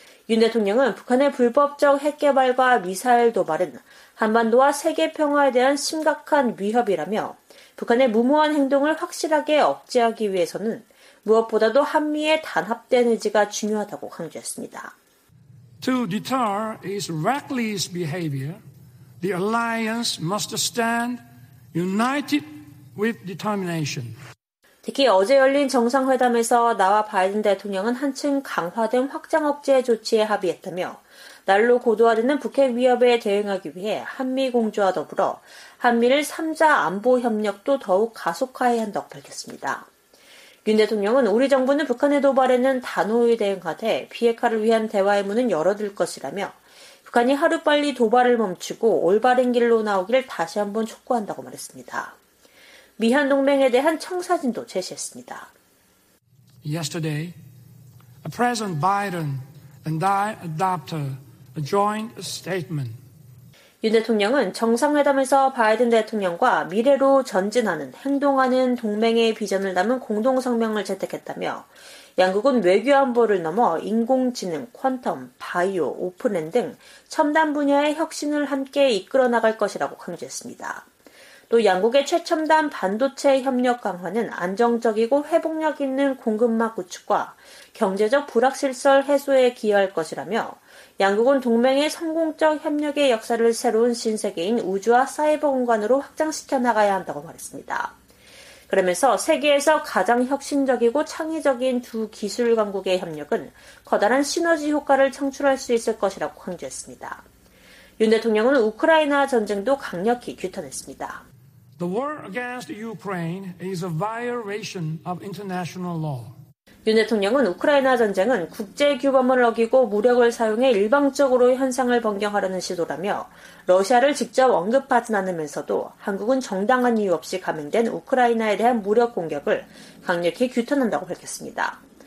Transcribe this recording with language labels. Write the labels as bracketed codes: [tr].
[ko] 윤 대통령은 북한의 불법적 핵 개발과 미사일 도발은 한반도와 세계 평화에 대한 심각한 위협이라며 북한의 무모한 행동을 확실하게 억제하기 위해서는 무엇보다도 한미의 단합된 의지가 중요하다고 강조했습니다. [en] To deter his reckless behavior, the alliance must stand united with determination. [ko] 특히 어제 열린 정상회담에서 나와 바이든 대통령은 한층 강화된 확장 억제 조치에 합의했다며 날로 고도화되는 북핵 위협에 대응하기 위해 한미 공조와 더불어 한미일 3자 안보 협력도 더욱 가속화해야 한다고 밝혔습니다. 윤 대통령은 우리 정부는 북한의 도발에는 단호히 대응하되 비핵화를 위한 대화의 문은 열어둘 것이라며 북한이 하루빨리 도발을 멈추고 올바른 길로 나오기를 다시 한번 촉구한다고 말했습니다. 미한 동맹에 대한 청사진도 제시했습니다. [en] Yesterday, President Biden and I adopted a joint statement. [ko] 윤 대통령은 정상회담에서 바이든 대통령과 미래로 전진하는 행동하는 동맹의 비전을 담은 공동성명을 채택했다며 양국은 외교안보를 넘어 인공지능, 퀀텀, 바이오, 오픈엔 등 첨단 분야의 혁신을 함께 이끌어 나갈 것이라고 강조했습니다. 또 양국의 최첨단 반도체 협력 강화는 안정적이고 회복력 있는 공급망 구축과 경제적 불확실성 해소에 기여할 것이라며 양국은 동맹의 성공적 협력의 역사를 새로운 신세계인 우주와 사이버 공간으로 확장시켜 나가야 한다고 말했습니다. 그러면서 세계에서 가장 혁신적이고 창의적인 두 기술 강국의 협력은 커다란 시너지 효과를 창출할 수 있을 것이라고 강조했습니다. 윤 대통령은 우크라이나 전쟁도 강력히 규탄했습니다. [en] The war against Ukraine is a violation of international law. [ko] 윤 대통령은 우크라이나 전쟁은 국제 규범을 어기고 무력을 사용해 일방적으로 현상을 변경하려는 시도라며 러시아를 직접 언급하진 않으면서도 한국은 정당한 이유 없이 감행된 우크라이나에 대한 무력 공격을 강력히 규탄한다고 밝혔습니다.